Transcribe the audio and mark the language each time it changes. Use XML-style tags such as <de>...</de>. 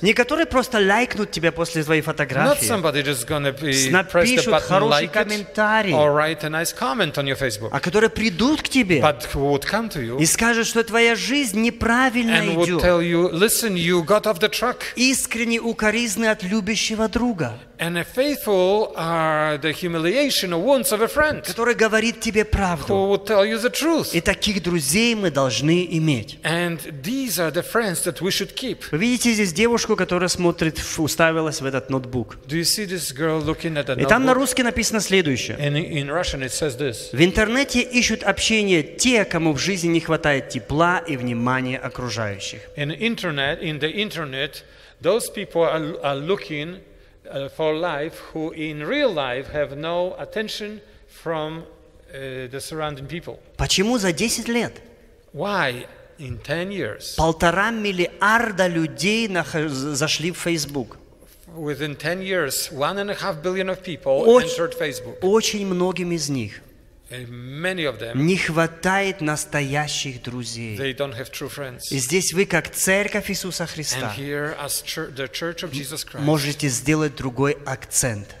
<ru>Не которые просто лайкнут тебя после твоей фотографии.</ru> <en>Not somebody just gonna be press the button</en> <ru>хороший</ru> <en>like</en> <ru>комментарий.</ru> <en>Or write a nice comment on your Facebook.</en> <ru>А которые придут к тебе.</ru> <en>But who would come to you?</en> <ru>И скажут, что твоя жизнь неправильно</ru> <en>and</en> <ru>идет.</ru> <en>Would tell you, listen, you got off the track.</en> <ru>Искренне укоризны от любящего друга.</ru> <en>And a faithful are the humiliation or wounds of a friend.</en> <ru>Который говорит тебе правду.</ru> <en>Who would tell you the truth.</en> <ru>И таких друзей мы должны иметь.</ru> <en>And these are the friends that we should keep.</en> <ru>Вы видите здесь девушку, которая смотрит, уставилась в этот ноутбук.</ru> <en>Do you see this girl looking at the notebook?</en> <ru>И там на русский написано следующее.</ru> <en>And in Russian it says this.</en> <ru>В интернете ищут общение те, кому в жизни не хватает тепла и внимания окружающих.</ru> <en>In the internet, those people are looking for life who in real life have no attention from the surrounding people.</en> <ru>Почему за 10 лет?</ru> <en>Why in 10 years?</en> <ru>1.5 миллиарда людей зашли в Facebook.</ru> <en>Within 10 years, 1.5 billion of people entered Facebook.</en> <ru>Очень многим из них</ru> <en>many of them,</en> <ru>не хватает настоящих друзей.</ru> <en>They don't have true friends.</en> <ru>И здесь вы, как Церковь Иисуса Христа,</ru> <en>and here, as the Church of Jesus Christ,</en> <ru>можете сделать другой акцент.</ru>